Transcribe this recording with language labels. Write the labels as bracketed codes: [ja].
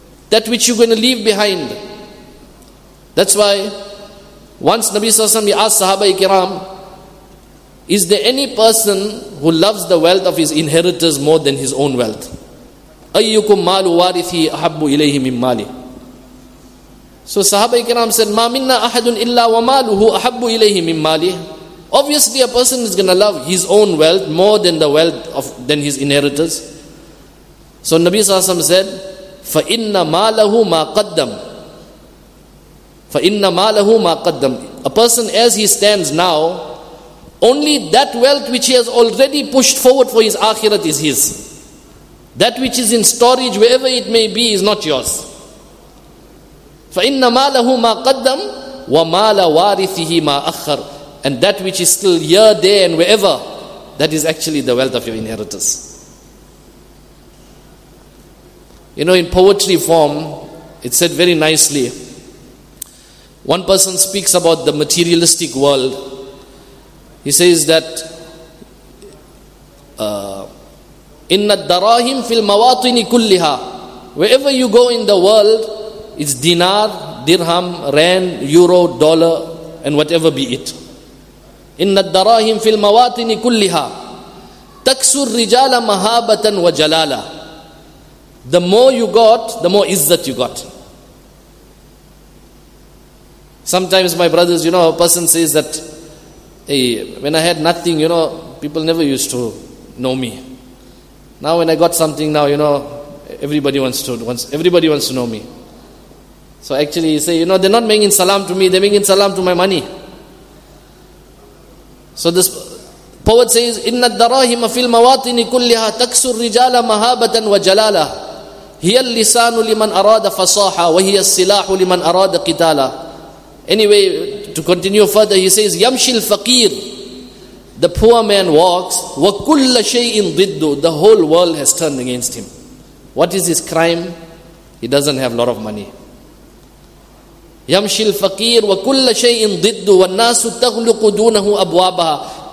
[en] That which you're going to leave behind. That's why once Nabi Sallallahu Alaihi Wasallam asked Sahaba Ikram, is there any person who loves the wealth of his inheritors more than his own wealth? [ar] أَيُّكُمْ مَالُ وَارِثِهِ أَحَبُّ إِلَيْهِ مِنْ مَالِهِ. [en] So Sahaba Ikram said, [ar] مَا مِنَّا أَحَدٌ إِلَّا وَمَالُهُ أَحَبُّ إِلَيْهِ مِنْ مَالِهِ. [en] Obviously, a person is going to love his own wealth more than the wealth of than his inheritors. So Nabi Sallallahu Alaihi Wasallam said, [ar] فَإِنَّ مَالَهُ مَا قَدَّمْ فَإِنَّ مَالَهُ مَا قَدَّمْ. [en] A person as he stands now, only that wealth which he has already pushed forward for his akhirat is his. That which is in storage, wherever it may be, is not yours. [ar] فَإِنَّ مَالَهُ مَا قَدَّمْ وَمَالَ وَارِثِهِ مَا أَخَّرْ. [en] And that which is still here, there and wherever, that is actually the wealth of your inheritors. You know, in poetry form, it's said very nicely. One person speaks about the materialistic world. He says that [ar] إِنَّ الدَّرَاهِمْ فِي الْمَوَاطِنِ كُلِّهَا. [en] Wherever you go in the world, it's dinar, dirham, rand, euro, dollar, and whatever be it. [ar] إِنَّ الدَّرَاهِمْ فِي الْمَوَاطِنِ كُلِّهَا تَكْسُرْ رِجَالَ مَهَابَةً وَجَلَالَ. [en] The more you got, the more izzat you got. Sometimes my brothers, you know, a person says that, hey, when I had nothing, you know, people never used to know me. Now when I got something now, you know, everybody wants to know me. So actually you say, you know, they're not making salam to me, they're making salam to my money. So this poet says, [ar] إِنَّ الدَّرَاهِمَ فِي الْمَوَاطِنِ كُلِّهَا تَكْسُرْ رِجَالَ مَهَابَةً وَجَلَالَ هِيَ اللِّسَانُ لِمَنْ أَرَادَ فَصَاحَ وَهِيَ السِّلَاحُ لِمَنْ أَرَادَ قِتَالَ. [en] Anyway, to continue further, he says, [ar] يَمْشِ الْفَقِيرُ. [en] The poor man walks, [ar] وَكُلَّ شَيْءٍ ضِدُّ. [en] The whole world has turned against him. What is his crime? He doesn't have a lot of money. [ar] يَمْشِ الْفَقِيرُ وَكُلَّ شَيْءٍ ضِدُّ وَالنَّاسُ تَغْلُقُ دُونَهُ أَبْوَابَهَا.